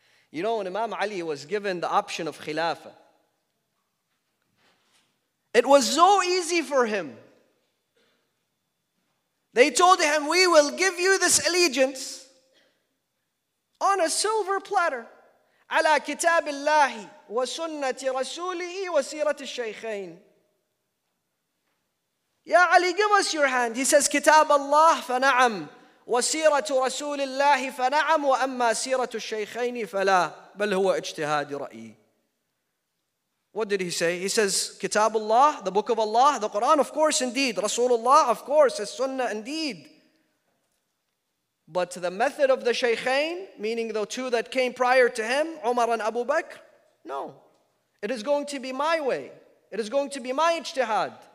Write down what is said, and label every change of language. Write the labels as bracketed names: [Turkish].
[English] You know, when Imam Ali was given the option of khilafah, it was so easy for him. They told him, we will give you this allegiance on a silver platter. [Arabic] على كتاب الله وسنة رسوله وسيرة الشيخين. يا علي, [English] give us your hand. He says, [Arabic] كتاب الله فنعم وسيرة رسول الله فنعم وأما سيرة الشيخين فلا بل هو اجتهاد رأيي. [English] What did he say? He says, كتاب الله, the book of Allah, the Quran, of course, indeed. Rasulullah, of course, his sunnah, indeed. But the method of the shaykhain, meaning the two that came prior to him, Umar and Abu Bakr, no. It is going to be my way. It is going to be my ijtihad.